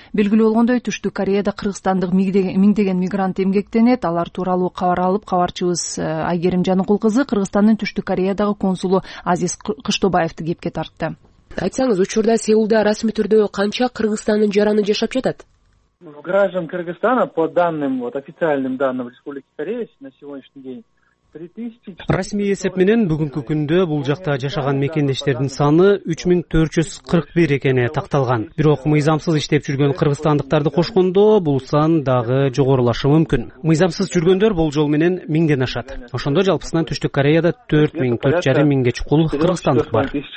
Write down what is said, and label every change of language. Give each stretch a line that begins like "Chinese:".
Kyrgyz: Белгилүү болгондой, Түштүк Кореяда кыргызстандык миңдеген мигрант эмгектенет. Алар тууралуу кабар алып, кабарчыбыз Айгерим Жаныкул кызы Кыргызстандын Түштүк Кореядагы консулу Азиз Кыштобаевди кепке тартты. Айтсаңыз, учурда Сеулда расмий түрдө канча Кыргызстандын жараны жашап жатат?
Russian: Граждан Кыргызстана по данным, вот официальным данным Республики Корея на сегодняшний день
Kyrgyz: расмий эсеп менен бүгүнкү күндө бул жакта жашаган мекендештердин саны 3441 экени такталган. Бирок мыйзамсыз иштеп жүргөн кыргызстандыктарды кошкондо бул сан дагы жогорулашы мүмкүн. Мыйзамсыз жүргөндөр болжол менен 1000 ашат. Ошондо жалпысынан Түштүк Кореяда 4000-4500 кул кыргызстандык бар.